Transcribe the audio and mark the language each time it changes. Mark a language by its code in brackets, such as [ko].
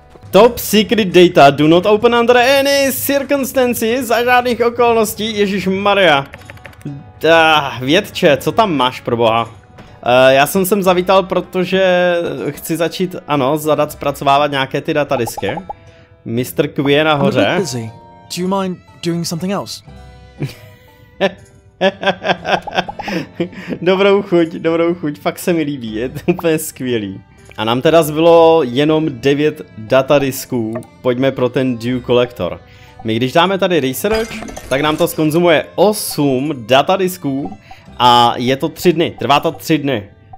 [en] Top secret data, do not open under any circumstances, [cs] za žádných okolností, Ježíš Maria. Vědče, co tam máš pro boha? Já jsem sem zavítal, protože chci začít, ano, zadat zpracovávat nějaké ty datadisky. Mr. Q je nahoře. [en] Do you mind doing something else? [cs] dobrou chuť, fakt se mi líbí, je to úplně skvělý. A nám teda zbylo jenom 9 datadisků, pojďme pro ten Dew Collector. My když dáme tady research, tak nám to skonzumuje 8 datadisků a je to 3 dny, trvá to 3 dny.